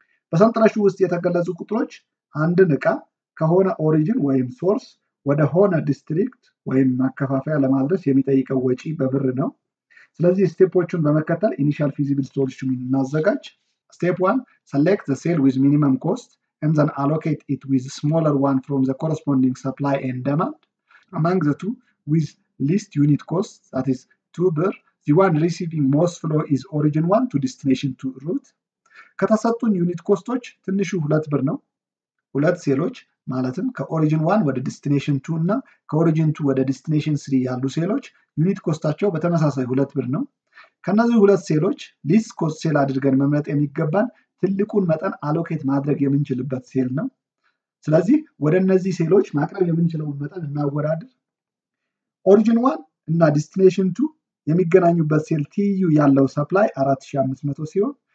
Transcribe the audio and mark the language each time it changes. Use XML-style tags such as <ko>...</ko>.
<am>በሰንጠረሹ ውስጥ የተገለጹ ቁጥሮች አንድ ንቃ ከሆነ ኦሪጂን ወይም ሶርስ ወደ ሆነ ዲስትሪክት ወይም ማከፋፈያ ለማድረስ የሚጠይቀው ወጪ በብር ነው። ስለዚህ ስቴፖቹን በመከተል ኢኒሻል ፊዚብል ሶሉሽን እናዘጋጅ።</am> <en>ስቴፕ 1 ሰሌክት ዘ ሴል ዊዝ ሚኒመም ኮስት and then allocate it with a smaller one from the corresponding supply and demand. Among the two, with least unit cost, that is 2 birr, the one receiving most flow is origin 1 to destination 2 route.</en> <am>ከተሰጡን unit costs ትንሹ 2 birr ነው። 2 ሴሎች ማለትም ከorigin 1 ወደ destination 2 እና ከorigin 2 ወደ destination 3 ያሉ ሴሎች unit costsቸው በተመሳሳይ 2 birr ነው። ከነዚህ 2 ሴሎች least cost ሴል አድርገን መምረጥ የሚገባን ትልቁን መጠን አሎኬት ማድረግ የምንችልበት ሴል ነው። ስለዚህ ወደ እነዚህ ሴሎች ማቅረብ የምንችለውን መጠን እናወራድር። ኦሪጂን 1 እና ዲስቲኔሽን 2 የሚገናኙበት ሴል ቲዩ ያለው ሰፕላይ 4500 ሲሆን</am>